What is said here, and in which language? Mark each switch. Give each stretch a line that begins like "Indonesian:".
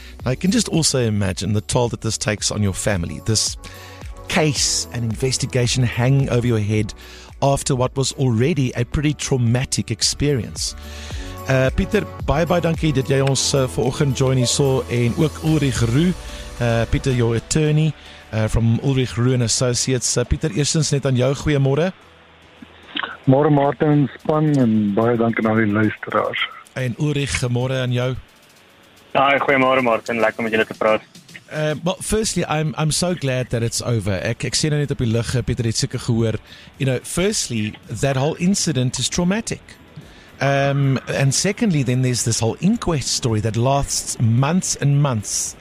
English: I can just also imagine the toll that this takes on your family. This case and investigation hanging over your head after what was already a pretty traumatic experience.
Afrikaans: Pieter, bye, dankie dat jy ons vir oggend join hier so, en ook Ulrich Roo.
English: Pieter, your attorney from Ulrich Roo & Associates.
Afrikaans: Pieter, eerstens net aan jou, goeiemorgen. Morgen Martin, span, en baie dankie aan die luisteraars. En Ulrich, goeiemorgen aan jou. Hi, goeiemorgen Martin, lekker om met julle te praat.
English: Well, firstly, I'm so glad that it's over.
Afrikaans: Ek sê nou net op die lig, Pieter het seker gehoor.
English: You know, firstly, that whole incident is traumatic. And secondly, then there's this whole inquest story that lasts months and months.